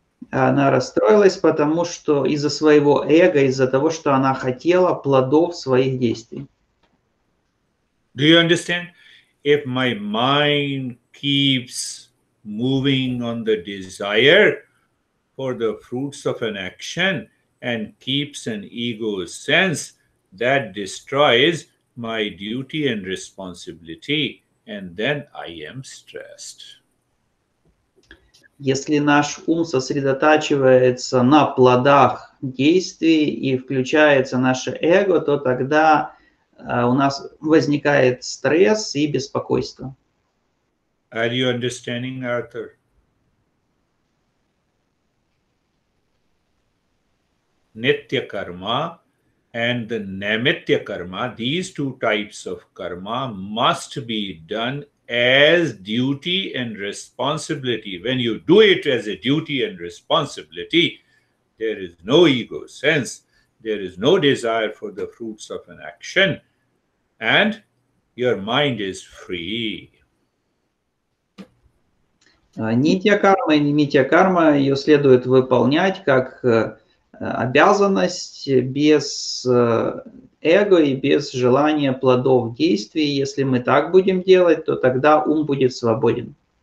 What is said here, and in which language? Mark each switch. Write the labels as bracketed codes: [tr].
[ru] Она расстроилась, потому что из-за своего эго, из-за того, что она хотела плодов своих действий. [en] Do you understand? If my mind keeps moving on the desire for the fruits of an action, and keeps an ego sense that destroys my duty and responsibility, and then I am stressed. [ru] Если наш ум сосредотачивается на плодах действий и включается наше эго, то тогда у нас возникает стресс и беспокойство. [en] Are you understanding, Arthur? Nitya karma and the naimittya karma, these two types of karma must be done as duty and responsibility. When you do it as a duty and responsibility, there is no ego sense, there is no desire for the fruits of an action, and your mind is free. [ru] Нитья карма и нимитья карма, ее следует выполнять как обязанность без эго и без желания плодов действий. Если мы так будем делать, то тогда ум будет свободен.